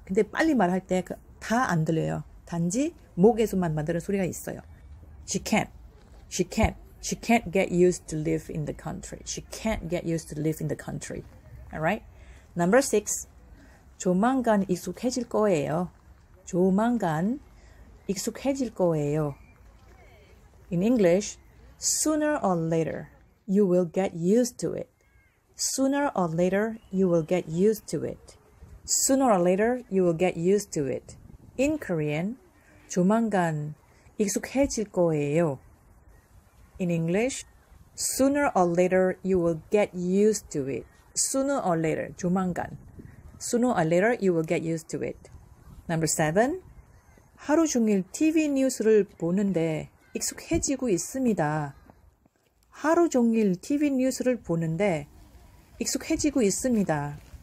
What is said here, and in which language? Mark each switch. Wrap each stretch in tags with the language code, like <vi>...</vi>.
<ko>근데 빨리 말할 때 다 안 들려요. 단지 목에서만 만드는 소리가 있어요.</ko> <en>She can't, she can't, she can't get used to live in the country. She can't get used to live in the country. Alright? Number 6.</en> <ko>조만간 익숙해질 거예요. 조만간 익숙해질 거예요.</ko> <en>In English, sooner or later, you will get used to it. Sooner or later, you will get used to it. Sooner or later, you will get used to it. In Korean,</en> <ko>조만간 익숙해질 거예요.</ko> <en>In English, sooner or later, you will get used to it. Sooner or later,</en> <ko>조만간.</ko> <en>Sooner or later, you will get used to it. Number 7.</en> <ko>하루 종일 TV 뉴스를 보는데 익숙해지고 있습니다. 하루 종일 TV 뉴스를 보는데 익숙해지고 있습니다.</ko>